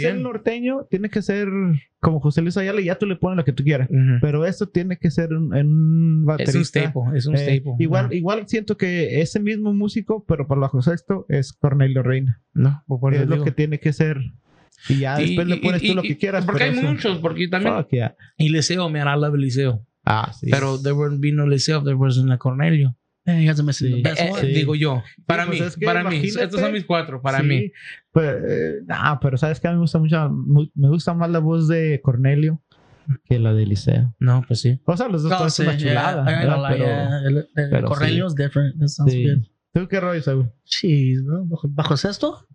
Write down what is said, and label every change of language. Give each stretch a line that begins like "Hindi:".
Spanish: Lo que es el norteño tiene que ser... Como José Luis Ayala y ya tú le pones lo que tú quieras. Uh-huh. Pero esto tiene que ser un baterista. Es un staple. Igual siento que ese mismo músico, pero para bajo sexto, es Cornelio Reina. No, por es lo digo. Que tiene que ser... Y ya después le pones tú lo que quieras. Porque hay muchos, porque también.
English: Fuck yeah. Y Liceo, man, I love Liceo.
Spanish: Ah, sí.
English: Pero there wouldn't be no Liceo if there wasn't a Cornelio.
Spanish: Digo yo. Para mí. Estos son mis cuatro, para mí. Pero sabes que a mí me gusta mucho. Me gusta más la voz de Cornelio que la de Liceo. No, pues sí. O sea, los dos son una chulada.
English: Cornelio es different. That sounds good.
Spanish: ¿Tú qué rollo, Saúl?
English: Jeez, bro. ¿Bajo sexto?